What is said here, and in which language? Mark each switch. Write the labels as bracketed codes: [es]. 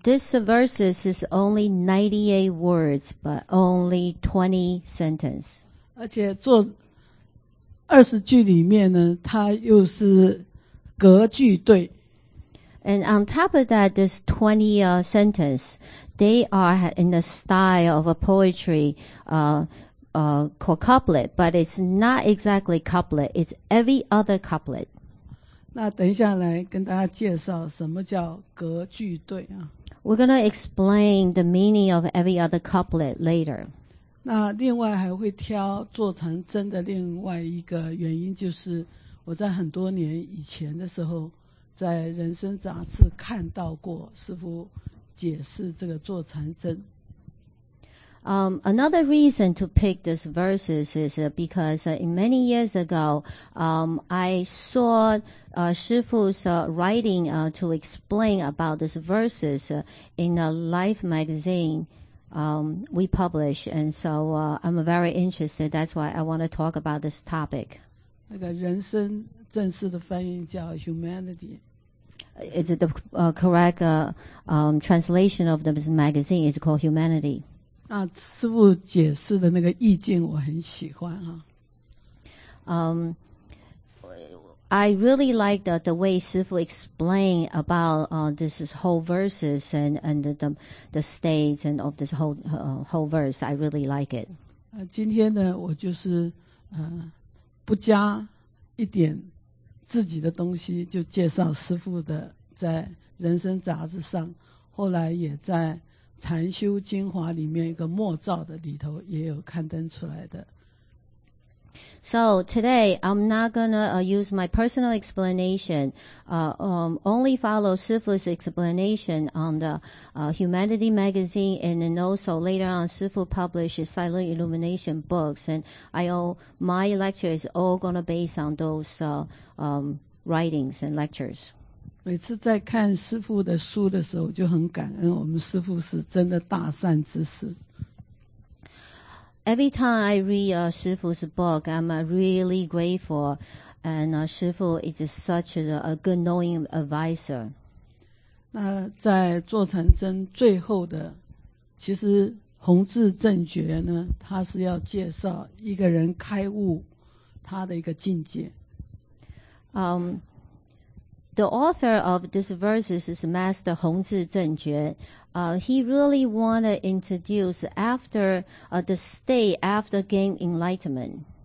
[en] This verse is only 98 words, but only 20 sentences. [zh] 而且做20句里面呢，它又是格句对。 [en] And on top of that, this 20 sentences, they are in the style of a poetry called couplet, but it's not exactly couplet, it's every other couplet. [zh] 那等一下来跟大家介绍什么叫格句对啊。 [en] We're gonna explain the meaning of every other couplet later. [zh] 那另外还会挑坐禅真的另外一个原因，就是我在很多年以前的时候，在人生杂志看到过师父解释这个坐禅真。 [en] Another reason to pick this verse is because many years ago, I saw Shifu's writing to explain about this verse in a Life magazine we publish. And so I'm very interested. That's why I want to talk about this topic. [zh] 那个人生正式的翻译叫 Humanity. [en] It's the correct translation of this magazine. It's called Humanity. [zh] 那师父解释的那个意境我很喜欢啊。 [en] I really like the way 师父 explained about this whole verses and the states and of this whole verse. I really like it. [zh] 今天呢，我就是不加一点自己的东西，就介绍师父的在《人生杂志》上，后来也在《禅修精华》里面一个末照的里头也有刊登出来的。 [en] So today I'm not gonna use my personal explanation. Only follow 师父's explanation on the Humanity Magazine, and then also later on 师父 published Silent Illumination books, and my lecture is all gonna based on those writings and lectures. [zh] 每次在看师父的书的时候，就很感恩，我们师父是真的大善知识。 [en] Every time I read 师父's book, I'm really grateful, and 师父 is such a good knowing advisor. [zh] 那在坐禅真最后的，其实弘智正觉呢，他是要介绍一个人开悟他的一个境界。 [en] The author of this verses is Master 弘智正觉. He really want to introduce after the state after gain enlightenment.